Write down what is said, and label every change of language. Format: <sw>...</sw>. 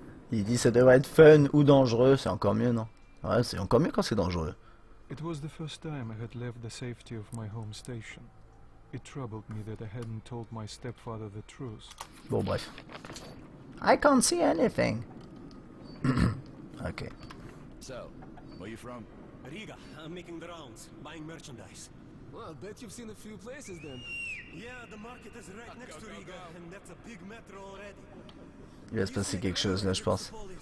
<fr>Il dit ça devrait être fun ou dangereux. C'est encore mieux, non? Ouais, c'est encore mieux quand c'est dangereux.</fr> <en>It was the first time I had left the safety of my home station. It troubled me that I hadn't told my stepfather the truth.</en> <fr>Bon bref.</fr> <en>I can't see anything. Okay. So, where are you from? Riga. I'm making the rounds, buying merchandise. Well, I bet you've seen a few places then. Yeah, the market is right next to Riga, and that's a big metro already.</en> <fr>Il va se passer quelque chose là, je pense.</fr>